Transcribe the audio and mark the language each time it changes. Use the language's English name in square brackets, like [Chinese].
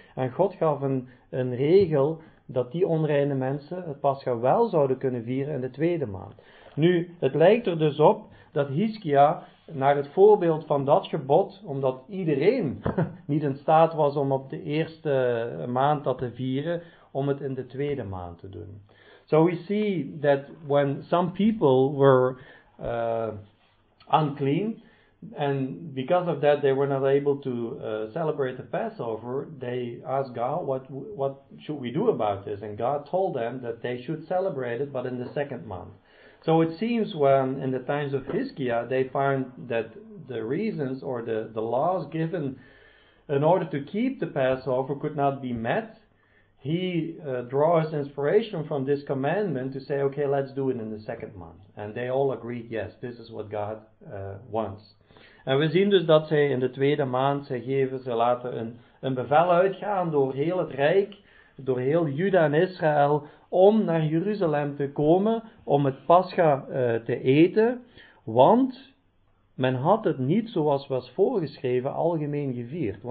[Dutch] En God gaf een regel dat die onreine mensen het Pascha wel zouden kunnen vieren in de tweede maand. Nu, het lijkt er dus op dat Hizkia, naar het voorbeeld van dat gebod, omdat iedereen niet in staat was om op de eerste maand dat te vieren, om het in de tweede maand te doen. [English] So we see that when some people were unclean, and because of that they were not able to celebrate the Passover, they asked God, what should we do about this? And God told them that they should celebrate it, but in the second month. So it seems when in the times of Hizkiah they found that the reasons or the laws given in order to keep the Passover could not be met, he draws inspiration from this commandment to say, okay, let's do it in the second month. And they all agreed, yes, this is what God wants. [Dutch] En we zien dus dat zij in de tweede maand, zij geven, ze laten een bevel uitgaan door heel het Rijk, door heel Juda en Israël, om naar Jeruzalem te komen, om het Pascha te eten, want men had het niet, zoals was voorgeschreven, algemeen gevierd.